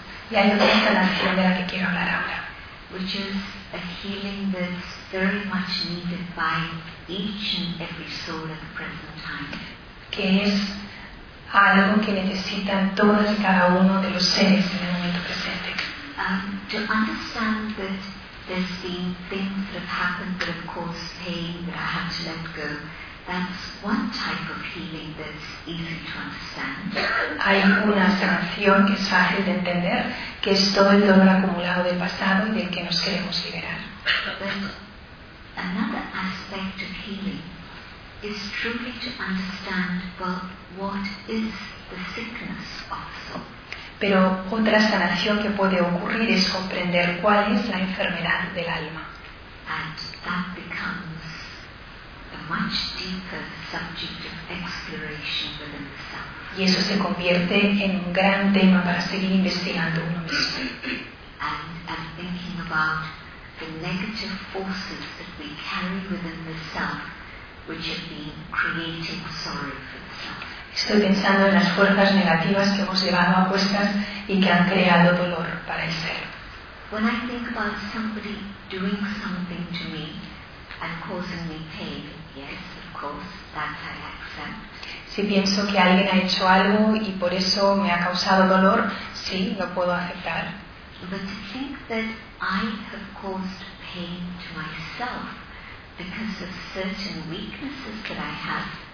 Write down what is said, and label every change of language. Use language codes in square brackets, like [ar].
[es] Y hay otra sanación de la que quiero hablar ahora, [en] which is a healing that's very much needed by each and every soul at the present time. [es] Que es algo que necesitan todos y cada uno de los seres en el momento presente. [en] To understand that there's been things that have happened that have caused pain that I had to let go, that's one type of healing that's easy to understand. [es] Hay una sanación que es fácil de entender, que es todo el dolor acumulado del pasado y del que nos queremos liberar. [en] Another aspect of healing is truly to understand, well, what is the sickness of the soul. [es] Pero otra sanación que puede ocurrir es comprender cuál es la enfermedad del alma. [en] And that becomes a much deeper subject of exploration within the self. [es] Y eso se convierte en un gran tema para seguir investigando uno mismo. [en] And thinking about the negative forces that we carry within the self, which have been creating sorrow for the self. [es] Estoy pensando en las fuerzas negativas que hemos llevado a cuestas y que han creado dolor para el ser. [en] When I think about somebody doing something to me and causing me pain, yes, of course, that I accept. [es] Si pienso que alguien ha hecho algo y por eso me ha causado dolor, sí, lo puedo aceptar. [en] But to think that I have caused pain to myself because of certain weaknesses that I have,